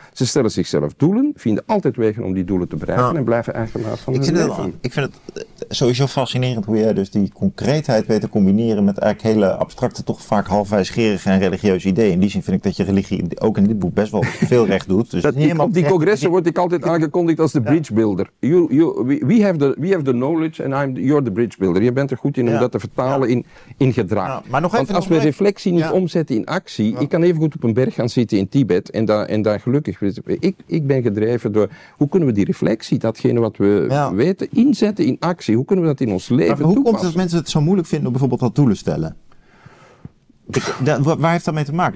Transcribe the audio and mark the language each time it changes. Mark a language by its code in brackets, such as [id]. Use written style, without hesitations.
[nl] Ze stellen zichzelf doelen, vinden altijd wegen om die doelen te bereiken en blijven eigenaar van hun leven. Ik vind het sowieso fascinerend hoe jij dus die concreetheid weet te combineren met eigenlijk hele abstracte, toch vaak halfwijsgerige en religieuze ideeën. In die zin vind ik dat je religie ook in dit boek best wel veel recht doet. Dus op die congressen word ik altijd aangekondigd als de bridge builder. [en] We have the knowledge and you're the bridge builder. [nl] Je bent er goed in om dat te vertalen in gedrag. Ja, maar nog even, want als we reflectie niet omzetten in actie, ik kan even goed op een berg gaan zitten in Tibet en daar gelukkig. Ik ben gedreven door, hoe kunnen we die reflectie, datgene wat we weten, inzetten in actie? Hoe kunnen we dat in ons leven toepassen? Hoe komt het dat mensen het zo moeilijk vinden om bijvoorbeeld dat doelen stellen? Waar heeft dat mee te maken?